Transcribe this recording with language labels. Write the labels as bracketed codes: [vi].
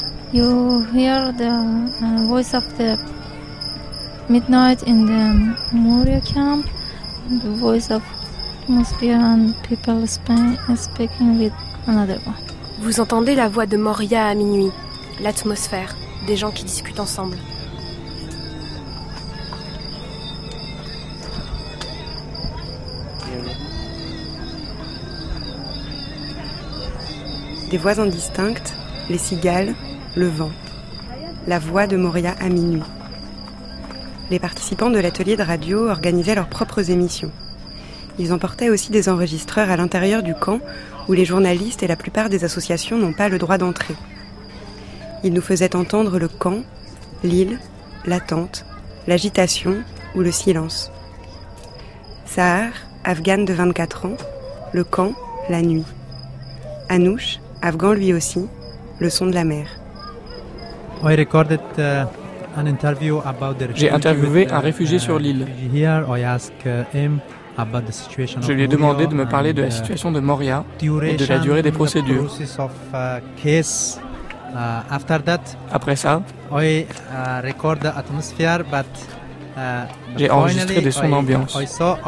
[en] You hear the voice of the midnight in the Moria camp, the voice of atmosphere and people speaking with another one. [fr] Vous entendez la voix de Moria à minuit, l'atmosphère, des gens qui discutent ensemble. Des voix indistinctes, les cigales, le vent. La voix de Moria à minuit. Les participants de l'atelier de radio organisaient leurs propres émissions. Ils emportaient aussi des enregistreurs à l'intérieur du camp où les journalistes et la plupart des associations n'ont pas le droit d'entrer. Ils nous faisaient entendre le camp, l'île, la tente, l'agitation ou le silence. Sahar, afghane de 24 ans, le camp, la nuit. Anouche, afghan lui aussi, le son de la mer. [en] I recorded an interview about the [fr] refugee. J'ai interviewé un réfugié sur l'île. Je lui ai demandé de me parler de la situation de Moria et de la durée des procédures. Après ça, j'ai enregistré des sons d'ambiance.